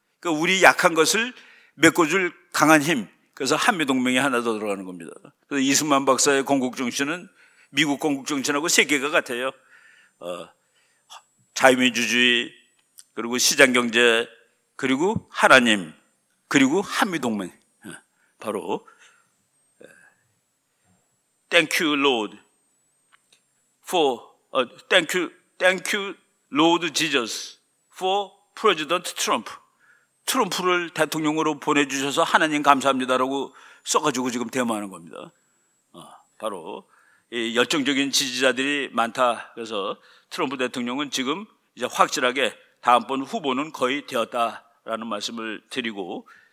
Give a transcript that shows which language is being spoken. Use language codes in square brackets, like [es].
[ko] 그러니까 우리 약한 것을 메꿔줄 강한 힘. 그래서 한미동맹이 하나 더 들어가는 겁니다. 그래서 이승만 박사의 건국정신은 미국 건국정신하고 세계가 같아요. 자유민주주의, 그리고 시장경제, 그리고 하나님, 그리고 한미동맹. 바로 [en] Thank you, Lord, for thank you, Lord Jesus, for President Trump. [ko] 트럼프를 대통령으로 보내주셔서 하나님 감사합니다라고 써가지고 지금 대모하는 겁니다. 바로 이 열정적인 지지자들이 많다. 그래서 트럼프 대통령은 지금 이제 확실하게 다음번 후보는 거의 되었다라는 말씀을 드리고.